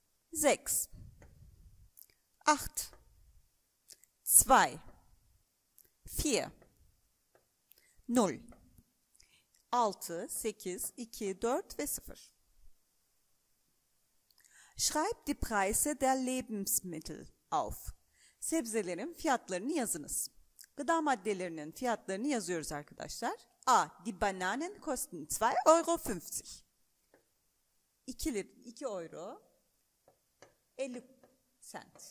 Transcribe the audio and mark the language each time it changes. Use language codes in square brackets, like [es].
[de] Sechs. Acht. Zwei. Vier. Null. [tr] Altı, sekiz, iki, dört ve sıfır. [de] Schreib die Preise der Lebensmittel auf. [tr] Sebzelerin fiyatlarını yazınız. Gıda maddelerinin fiyatlarını yazıyoruz arkadaşlar. [de] A. Die Bananen kosten 2,50 €. 2,50 €.